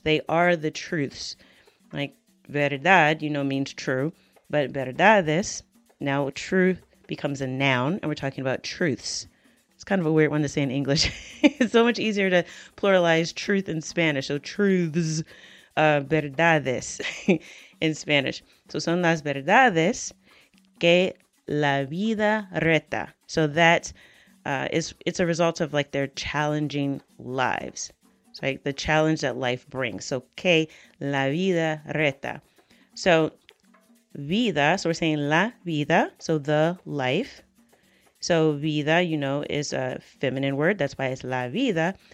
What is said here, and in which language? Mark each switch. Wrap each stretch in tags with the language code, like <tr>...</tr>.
<en>They are the truths. Like verdad, you know, means true. But verdades, now true becomes a noun, and we're talking about truths. It's kind of a weird one to say in English. It's so much easier to pluralize truth in Spanish. So truths, verdades in Spanish.</en> <es>So son las verdades que la vida reta.</es> <en>So that it's a result of like their challenging lives. It's like the challenge that life brings. So</en> <es>que la vida reta.</es> <en>So vida, so we're saying la vida, so the life. So vida, you know, is a feminine word. That's why it's la vida.</en>